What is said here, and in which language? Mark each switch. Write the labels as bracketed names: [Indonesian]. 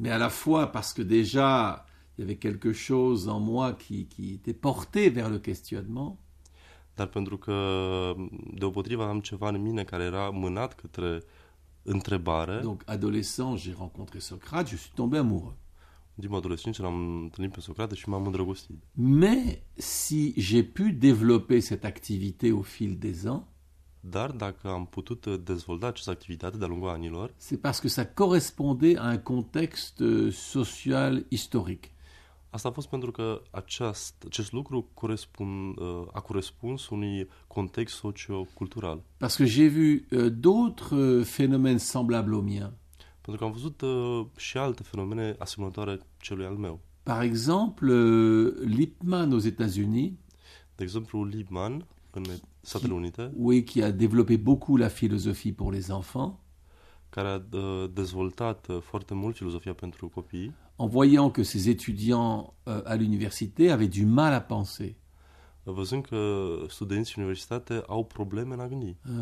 [French] Mais à la fois, parce que déjà, il y avait quelque chose en moi qui était porté vers le questionnement. [Romanian] Dar pentru că deopotrivă am ceva în mine care era mânat către întrebare. [French] Donc adolescent, j'ai rencontré Socrate, je suis tombé amoureux. [Romanian] Dimă adolescent, l-am întâlnit pe Socrate și m-am îndrăgostit. [French] Mais si j'ai pu développer cette activité au fil des ans, [Romanian] dar dacă am putut dezvolta această activitate de-a lungul anilor, [French] c'est parce que ça correspondait à un contexte social historic. [Romanian] Asta a fost pentru că acest lucru a corespuns unui context sociocultural. [French] Parce que j'ai vu d'autres phénomènes semblables au mien. [Romanian] Pentru că am văzut și alte fenomene asemănătoare celui al meu. [French] Par exemple, Lippmann aux États-Unis. [Romanian] De exemplu, Lippmann în Statele Unite. [French] Oui, qui a développé beaucoup la philosophie pour les enfants. [Romanian] Care a dezvoltat foarte mult filozofia pentru copii. [French] En voyant que ses étudiants à l'université avaient du mal à penser. [Romanian] Văzând că studenții de universitate au probleme în a gândi.